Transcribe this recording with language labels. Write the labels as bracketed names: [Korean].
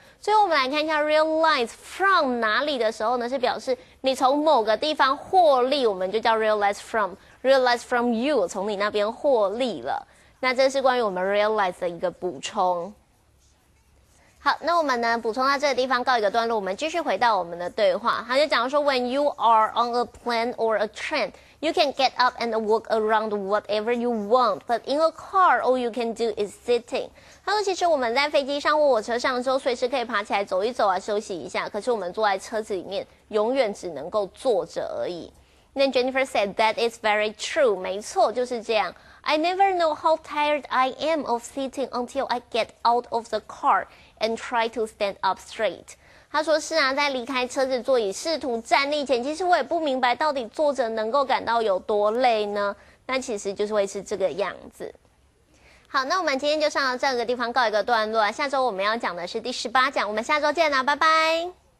[Chinese] 所以我们来看一下 realize from 哪里的时候呢，是表示你从某个地方获利，我们就叫 realize from， realize from you， 从你那边获利了。那这是关于我们 realize 的一个补充。好，那我们呢补充到这个地方告一个段落，我们继续回到我们的对话。他就讲说 [English] when you are on a plane or a train you can get up and walk around whatever you want but in a car all you can do is sitting。 [Chinese] 他说其实我们在飞机上或火车上的时候随时可以爬起来走一走啊，休息一下，可是我们坐在车子里面永远只能够坐着而已。 [English] Then Jennifer said that is very true， [Chinese] 没错就是这样。 [English] I never know how tired I am of sitting until I get out of the car and try to stand up straight。 [Chinese] 他说是啊，在离开车子座椅试图站立前，其实我也不明白到底坐着能够感到有多累呢。那其实就是会是这个样子。好，那我们今天就上到这个地方告一个段落，下周我们要讲的是第18讲，我们下周见啦，拜拜。